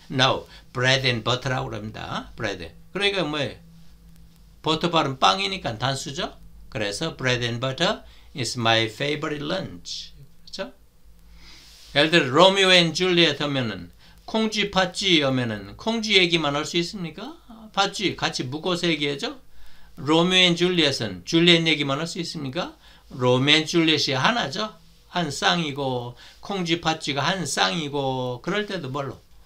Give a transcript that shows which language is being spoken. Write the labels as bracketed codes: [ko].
[en] No, bread and butter라고 [ko] 합니다. bread. 그러니까 뭐예요? 버터 바른 빵이니까 단수죠? 그래서 [en] bread and butter is my favorite lunch. [ko] 그렇죠? 예를 들어, 로미오 앤 줄리엣 하면은, 콩쥐 팥쥐 하면은, 콩쥐 얘기만 할수 있습니까? 팥쥐 같이 묶어서 얘기하죠? 로미오 앤 줄리엣은 줄리엣 얘기만 할수 있습니까? 로맨 줄리엣이 하나죠. 한 쌍이고, 콩쥐 팥쥐가 한 쌍이고, 그럴 때도 뭘로?